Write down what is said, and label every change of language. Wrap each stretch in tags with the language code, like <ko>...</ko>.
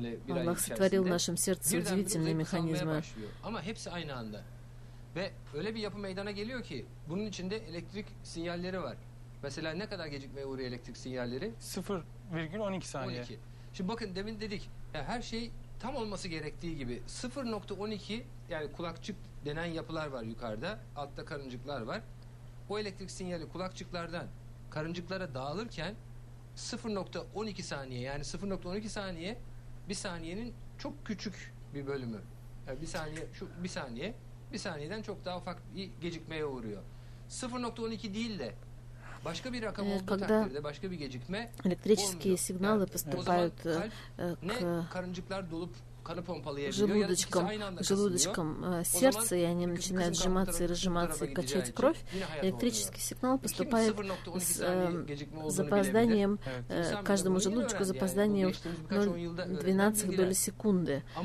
<ru>Аллах сотворил в нашем сердце удивительные механизмы.</ru> <tr>Tam olması gerektiği gibi 0.12 yani kulakçık denen yapılar var yukarıda, altta karıncıklar var. O elektrik sinyali kulakçıklardan karıncıklara dağılırken 0.12 saniye yani 0.12 saniye bir saniyenin çok küçük bir bölümü. Yani bir saniye şu bir saniye bir saniyeden çok daha ufak bir gecikmeye uğruyor. 0.12 değil de</tr> <ru>Когда электрические сигналы поступают к желудочкам сердца, и они начинают сжиматься и разжиматься и качать кровь, электрический сигнал поступает с запозданием каждому желудочку, запозданием 0,12 доли секунды.</ru>